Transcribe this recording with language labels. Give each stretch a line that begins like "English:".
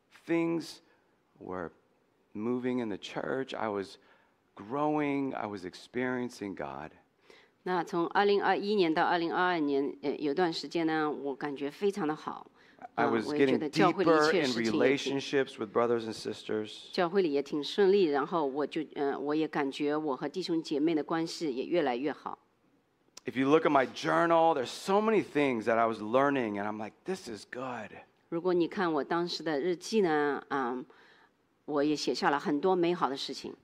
English: Things were moving in the church. I was growing. I was experiencing God.
Chinese: 那从2021年到2022年，有段时间呢，我感觉非常的好。
English: I was getting deeper in relationships with brothers and sisters.
Chinese: 教会里也挺顺利，然后我也感觉我和弟兄姐妹的关系也越来越好。
English: If you look at my journal, there's so many things that I was learning, and I'm like, this is good.
Chinese: 如果你看我当时的日记呢，我也写下了很多美好的事情。